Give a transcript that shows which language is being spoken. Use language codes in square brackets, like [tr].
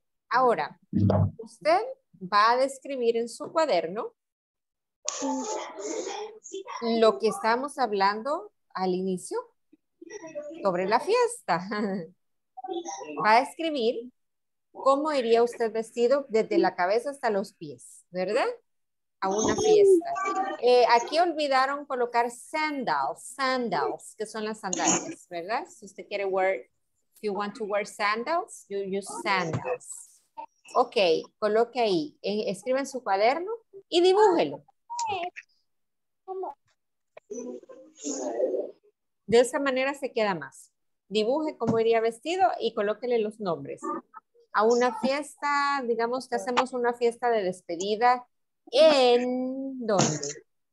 [es] Ahora, usted va a describir en su cuaderno lo que estábamos hablando al inicio sobre la fiesta. Va a escribir cómo iría usted vestido desde la cabeza hasta los pies, ¿verdad? A una fiesta. Aquí olvidaron colocar sandals, que son las sandalias, ¿verdad? Si usted quiere [en] wear, if you want to wear sandals, you use sandals. [es] Ok, coloque ahí, escriba en su cuaderno y dibújelo. De esa manera se queda más. Dibuje cómo iría vestido y colóquele los nombres. A una fiesta, digamos que hacemos una fiesta de despedida, ¿en dónde?